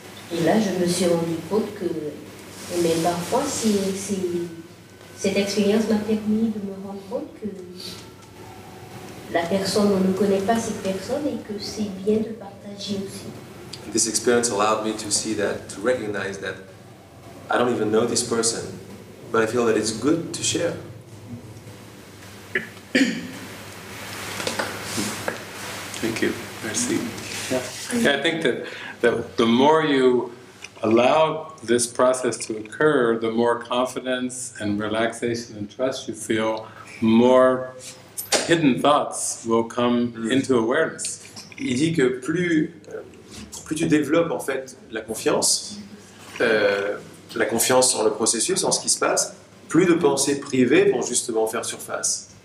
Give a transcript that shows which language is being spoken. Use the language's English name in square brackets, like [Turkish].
[French] Et là, je me suis rendu compte que, mais parfois, cette expérience m'a permis de me rendre compte que la personne, on ne connaît pas cette personne et que c'est bien de partager aussi. [English] This experience allowed me to see that, to recognize that I don't even know this person, but I feel that it's good to share. Thank you. [French] Merci. [English] Yeah. Yeah, I think that the more you allow this process to occur, the more confidence and relaxation and trust you feel, more hidden thoughts will come into awareness. [French] Il dit que plus tu développes en fait la confiance en le processus, en ce qui se passe, plus de pensées privées vont justement faire surface.